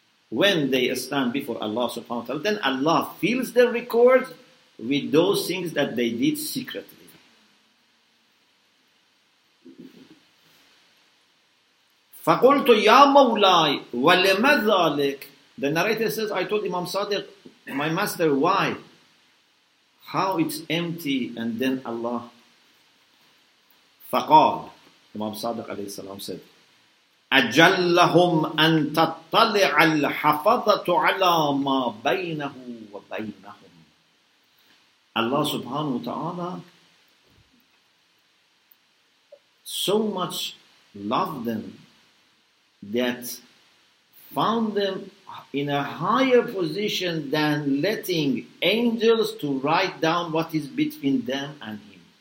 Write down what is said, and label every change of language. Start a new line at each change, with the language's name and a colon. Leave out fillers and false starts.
English: When they stand before Allah subhanahu wa ta'ala, then Allah fills their records with those things that they did secretly.
Arabic: فَقُلْتُ يَا مَوْلَىٰي وَلِمَ ذَلِكَ.
English: The narrator says, I told Imam Sadiq, my master, why? How it's empty, and then Allah.
Arabic: فقال,
English: Imam Sadiq alayhi salam said,
Arabic: أجلهم أن تطلع الحفظة على ما بينه وبينهم.
English: Allah subhanahu wa ta'ala so much loved them that found them in a higher position than letting angels to write down what is between them and him.